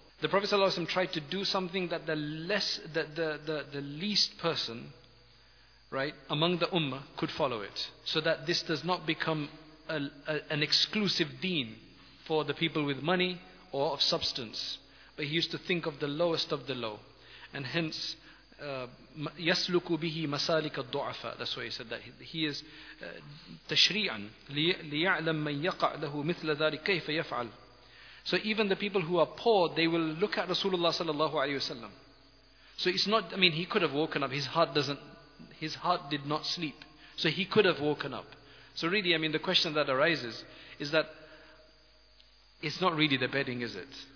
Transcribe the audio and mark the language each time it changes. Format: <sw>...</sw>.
<en>The Prophet ﷺ tried to do something that the least person, right, among the ummah, could follow it. So that this does not become an exclusive deen for the people with money or of substance. But he used to think of the lowest of the low. And hence,</en> <ar>يَسْلُكُ بِهِ مَسَالِكَ الضُّعَفَ.</ar> <en>That's why he said that. He is</en> <ar>تَشْرِيعًا لِيَعْلَمْ مَنْ يَقَعْ لَهُ مِثْلَ ذَلِكَ كَيْفَ يَفْعَلْ.</ar> <en>So even the people who are poor, they will look at Rasulullah sallallahu alayhi wasallam. So it's not, I mean, he could have woken up. His heart did not sleep. So he could have woken up. So really, I mean, the question that arises is that it's not really the bedding, is it?</en>